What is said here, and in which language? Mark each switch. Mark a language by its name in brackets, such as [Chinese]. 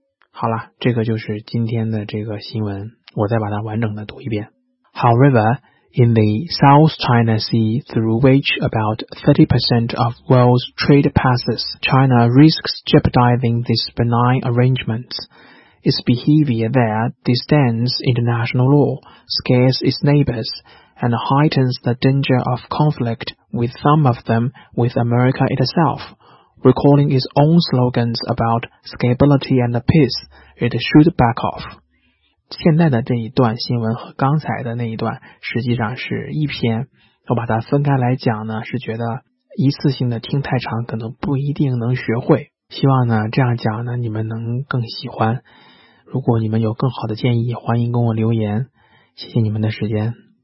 [Chinese] 好了，这个就是今天的这个新闻，我再把它完整的读一遍。 [English] However, in the South China Sea, through which about 30% of world's trade passes, China risks jeopardizing this benign arrangement. Its behavior there disdains international law, scares its neighbors,and heightens the danger of conflict with some of them with America itself. Recalling its own slogans about stability and peace, it should back off. [Chinese] 现在的这一段新闻和刚才的那一段实际上是一篇，我把它分开来讲呢，是觉得一次性的听太长可能不一定能学会，希望呢这样讲呢你们能更喜欢。如果你们有更好的建议，欢迎跟我留言，谢谢你们的时间。